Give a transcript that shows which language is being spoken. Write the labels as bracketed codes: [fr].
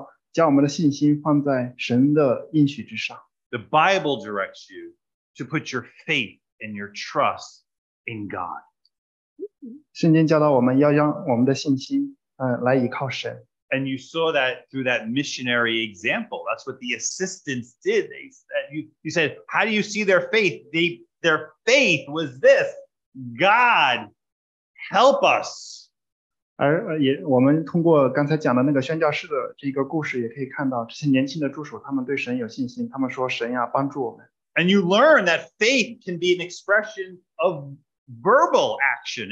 [zh] 但是圣经却教导我们说，要将我们的信心放在神的应许之上。 [en] The Bible directs you to put your faith and your trust in God. [zh] 圣经教导我们要让我们的信心来依靠神。 [en] And you saw that through that missionary example. That's what the assistants did. They said, you said, how do you see their faith? Their faith was this. God, help us. [zh] 而我们通过刚才讲的那个宣教士的这个故事也可以看到这些年轻的助手他们对神有信心他们说神呀帮助我们。 [en] And you learn that faith can be an expression of verbal action.